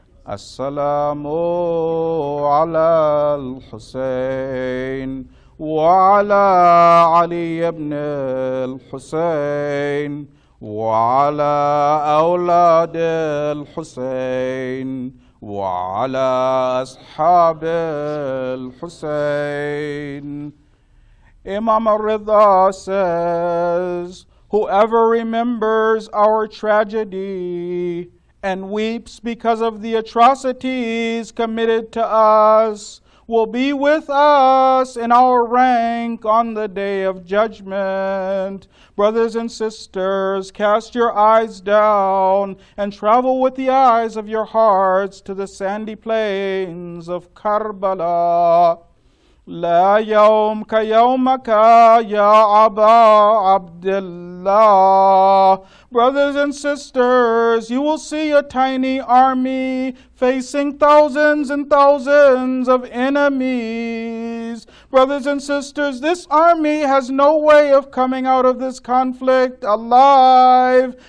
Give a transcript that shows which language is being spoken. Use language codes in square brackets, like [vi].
[ar] السلام على الحسين وعلى علي بن الحسين وعلى أولاد الحسين وعلى أصحاب الحسين. [en] Imam al-Ridha says, whoever remembers our tragedy and weeps because of the atrocities committed to us will be with us in our rank on the day of judgment. Brothers and sisters, cast your eyes down and travel with the eyes of your hearts to the sandy plains of Karbala. [ar] لا يوم كيومك يا أبا عبد الله. [en] Brothers and sisters, you will see a tiny army facing thousands and thousands of enemies. Brothers and sisters, this army has no way of coming out of this conflict alive.